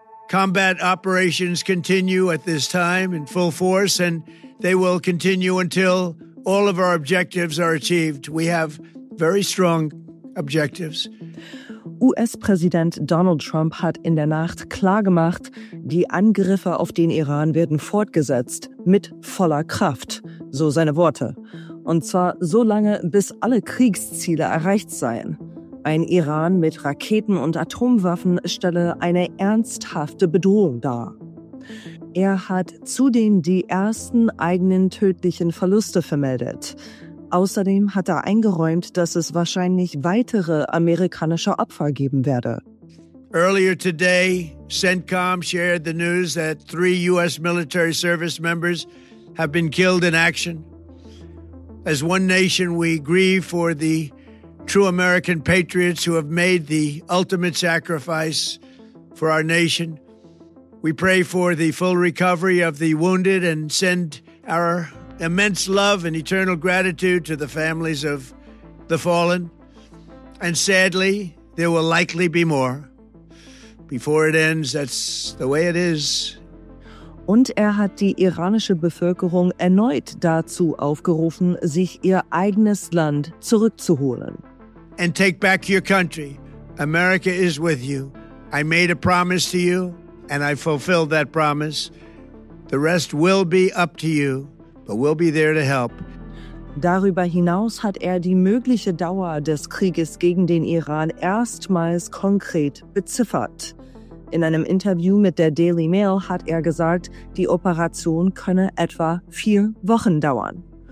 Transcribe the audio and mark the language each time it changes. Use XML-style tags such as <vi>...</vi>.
<en>Combat operations continue at this time in full force and they will continue until all of our objectives are achieved. We have very strong objectives.</en> <de>US-Präsident Donald Trump hat in der Nacht klargemacht, die Angriffe auf den Iran werden fortgesetzt, mit voller Kraft, so seine Worte. Und zwar so lange, bis alle Kriegsziele erreicht seien. Ein Iran mit Raketen und Atomwaffen stelle eine ernsthafte Bedrohung dar. Er hat zudem die ersten eigenen tödlichen Verluste vermeldet. Außerdem hat er eingeräumt, dass es wahrscheinlich weitere amerikanische Opfer geben werde.</de> <en>Earlier today, CENTCOM shared the news that 3 US military service members have been killed in action. As one nation, we grieve for the true American patriots who have made the ultimate sacrifice for our nation. We pray for the full recovery of the wounded and send our immense love and eternal gratitude to the families of the fallen. And sadly, there will likely be more. Before it ends, that's the way it is.</en> <de>Und er hat die iranische Bevölkerung erneut dazu aufgerufen, sich ihr eigenes Land zurückzuholen.</de> <en>And take back your country. America is with you. I made a promise to you, and I fulfilled that promise. The rest will be up to you. But we'll be there to help.</en> <de>Darüber hinaus hat er die mögliche Dauer des Krieges gegen den Iran erstmals konkret beziffert. In einem Interview mit der Daily Mail hat er gesagt, die Operation könne etwa 4 Wochen dauern.</de>